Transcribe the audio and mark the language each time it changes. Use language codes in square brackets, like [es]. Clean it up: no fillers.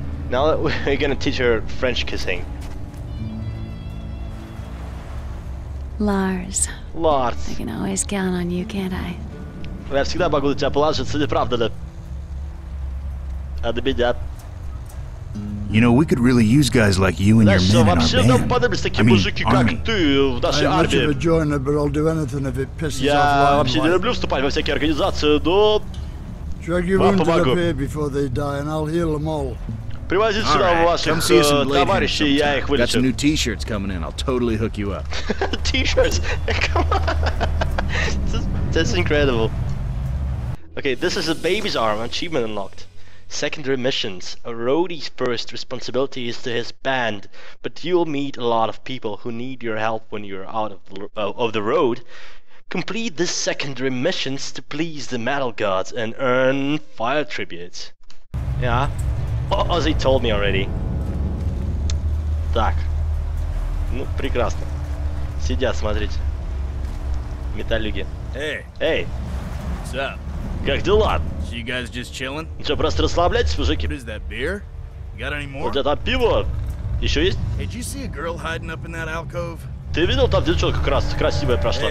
[en] Now that we're gonna teach her French kissing. Lars. Lars. I can always count on you, can't I? [ru] Я всегда могу на тебя положиться, не правда ли? А до беды. [en] You know, we could really use guys like you and your men in our band. [ru] Нам понадобятся такие мужики, как ты, в нашей армии. [en] I'm not a joiner, but I'll do anything if it pisses off. [ru] Я вообще не люблю вступать во всякие организации, но... [en] Drag your wounds up here before they die, and I'll heal them all. [ru] Привози сюда ваших товарищей, я их вылечу. [en] Got some new t-shirts coming in, I'll totally hook you up. T-shirts? Come on! That's incredible. Okay, this is a baby's arm, achievement unlocked. Secondary missions. A roadie's first responsibility is to his band, but you'll meet a lot of people who need your help when you're out of the road. Complete the secondary missions to please the metal gods and earn fire tributes. Yeah. Oh, Ozzy told me already. [ru] Так. Ну, прекрасно. Сидят, смотрите. Металлюги. [en] Hey. Hey. What's up? [ru] Как дела? [en] So you guys just chilling? [ru] Ну что, просто расслабляйтесь, мужики? [en] What is that, beer? You got any more? [ru] Вот это пиво. Еще есть? [en] Hey, did you see a girl hiding up in that alcove? [ru] Ты видел там девчонка красивая прошла?